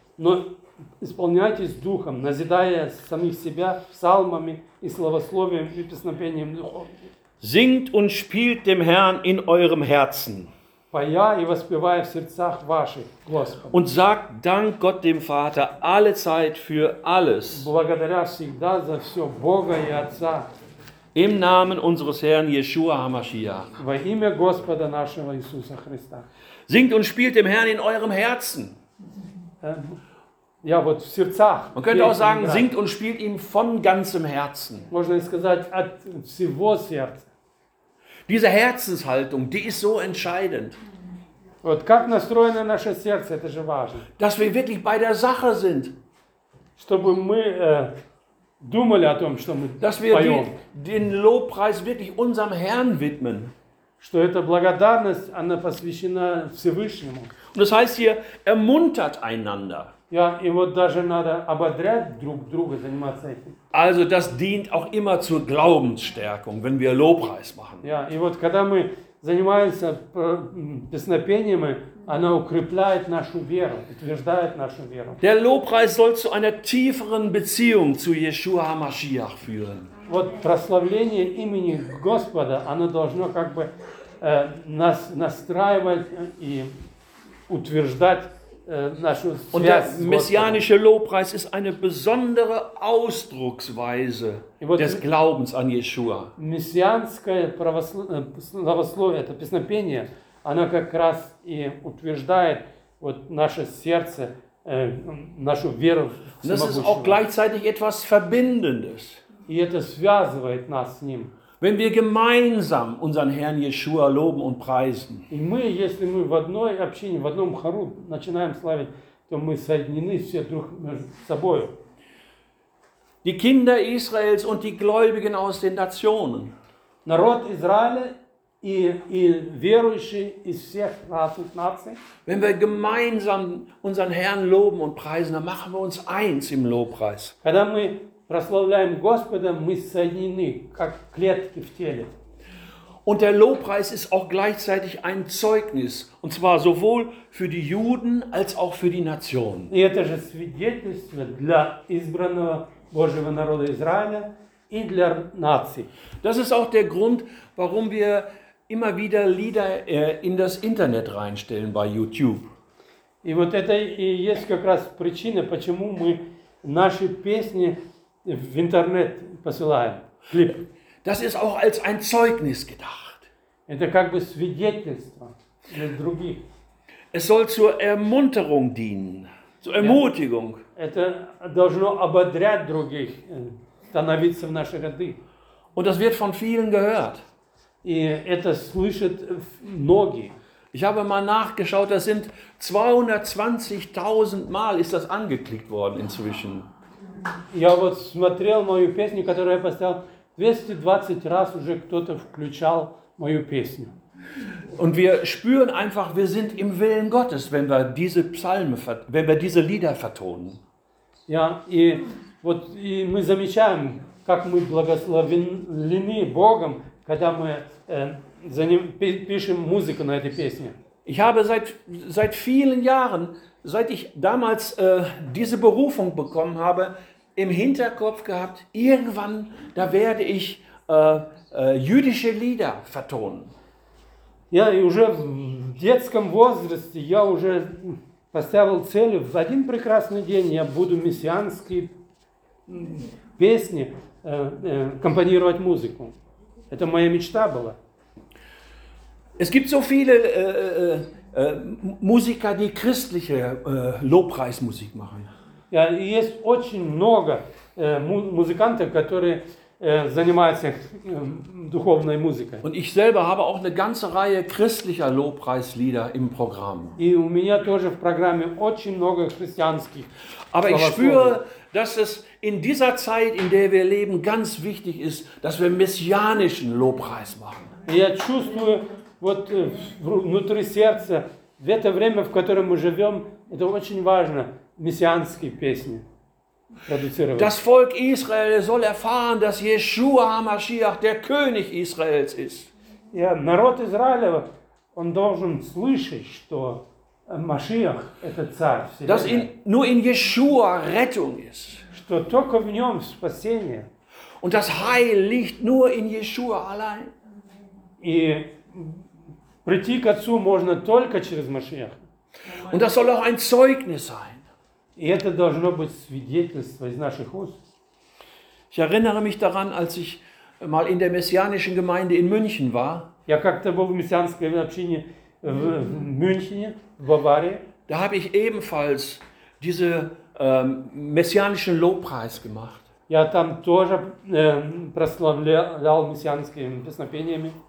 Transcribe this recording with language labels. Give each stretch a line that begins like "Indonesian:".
Russian: Но исполняйтесь духом, назидая самих себя псалмами и словословием и песнопением духов.
German: Singt und spielt dem Herrn in eurem Herzen.
Russian: Поя и воспевая в сердцах ваших Господу.
German: Und sagt Dank Gott dem Vater alle Zeit für alles.
Russian: Благодаря всегда за все Бога и Отца.
German: Im Namen unseres Herrn Yeshua HaMashiach.
Russian: Во имя Господа нашего Иисуса Христа.
German: Singt und spielt dem Herrn in eurem Herzen.
Russian: Ja, вот в сердцах.
German: Man könnte auch sagen, singt und spielt ihm von ganzem Herzen.
Russian: Можно сказать от всего сердца.
German: Diese Herzenshaltung, die ist so entscheidend.
Russian: Вот как настроено наше сердце, это же важно.
German: Dass wir wirklich bei der Sache sind.
Russian: Чтобы мы думали о том, что мы
German: dass
Russian: поем.
German: Wir den Lobpreis wirklich unserem Herrn widmen.
Russian: Что эта благодарность, она посвящена Всевышнему.
German: Und das heißt hier, ermuntert einander.
Russian: Ja, и вот даже надо ободрять друг друга заниматься этим.
German: Also, das dient auch immer zur Glaubensstärkung, wenn wir Lobpreis machen.
Russian: Ja, и вот когда мы занимаемся песнопениями, она укрепляет нашу веру, утверждает нашу веру.
German: Der Lobpreis soll zu einer tieferen Beziehung zu Yeshua HaMashiach führen.
Russian: Вот прославление имени Господа, оно должно как бы нас настраивать и утверждать
German: Und der messianische Lobpreis ist eine besondere Ausdrucksweise des Glaubens an Yeshua.
Russian: Messianское православие, это песнопение, оно как раз и утверждает вот наше сердце, нашу веру.
German: Das ist auch gleichzeitig etwas Verbindendes.
Russian: И это связывает нас с ним.
German: Wenn wir gemeinsam unseren Herrn Yeshua loben und preisen.
Russian: И мы, если мы в одной общине, в одном хору начинаем славить, то мы соединены все друг с собой.
German: Die Kinder Israels und die Gläubigen aus den Nationen.
Russian: Народ Израиля и верующие из всех наций.
German: Wenn wir gemeinsam unseren Herrn loben und preisen, dann machen wir uns eins im Lobpreis.
Russian: Когда мы прославляем Господа, мы соединены, как клетки в теле.
German: Und der Lobpreis ist auch gleichzeitig ein Zeugnis, und zwar sowohl für die Juden als auch für die Nationen.
Russian: И это же свидетельство для избранного Божьего народа Израиля и для наций.
German: Das ist auch der Grund, warum wir immer wieder Lieder in das Internet reinstellen bei YouTube.
Russian: И вот это и есть как раз причина, почему мы наши песни в интернет посылаем клип.
German: Das ist auch als ein Zeugnis gedacht.
Russian: Это как бы свидетельство для других.
German: Es soll zur Ermunterung dienen, zur Ermutigung.
Russian: Это должно ободрять других, становиться в наши ряды.
German: Und das wird von vielen gehört.
Russian: И это слышат многие.
German: Ich habe mal nachgeschaut, das sind 220.000 Mal ist das angeklickt worden inzwischen.
Russian: Я вот смотрел мою песню, которую я поставил, 220 раз уже кто-то включал мою песню.
German: Und wir spüren einfach, wir sind im Willen Gottes, wenn wir diese Psalme, wenn wir diese Lieder vertonen.
Russian: Ja, и вот и мы замечаем, как мы благословлены Богом, когда мы пишем музыку на этой песне.
German: Ich habe seit vielen Jahren, seit ich damals diese Berufung bekommen habe, im Hinterkopf gehabt, irgendwann, da werde ich jüdische Lieder vertonen.
Russian: Ja, и уже в детском возрасте я уже поставил цель, в один прекрасный день я буду мессианские песни компонировать музыку. Это моя мечта была.
German: Es gibt so viele Musiker, die christliche Lobpreismusik machen.
Russian: Ja, есть очень много музыкантов, которые занимаются духовной музыкой.
German: Und ich selber habe auch eine ganze Reihe christlicher Lobpreislieder im Programm.
Russian: И у меня тоже в программе очень много христианских.
German: Aber ich spüre, dass es in dieser Zeit, in der wir leben, ganz wichtig ist, dass wir messianischen Lobpreis machen.
Russian: Я чувствую вот внутри сердца, в это время, в котором мы живем, это очень важно, мессианские песни продуцировать.
German: Das Volk Israel soll erfahren, dass Yeshua HaMashiach der König Israels ist.
Russian: Ja, народ Израиля, он должен слышать, что Машиах – это царь всего.
German: Dass nur in Yeshua Rettung ist.
Russian: Что только в нем спасение.
German: Und das Heil liegt nur in Yeshua allein.
Russian: И прийти к Отцу можно только через Машиах.
German: Und das soll auch ein Zeugnis sein.
Russian: И это должно быть свидетельство из наших уст.
German: Ich erinnere mich daran, als ich mal in der messianischen Gemeinde in München war.
Russian: Я как-то был в мессианской общине в Мюнхене, в Баварии.
German: Da habe ich ebenfalls diese messianischen Lobpreis gemacht.
Russian: Я там тоже прославлял мессианскими песнопениями.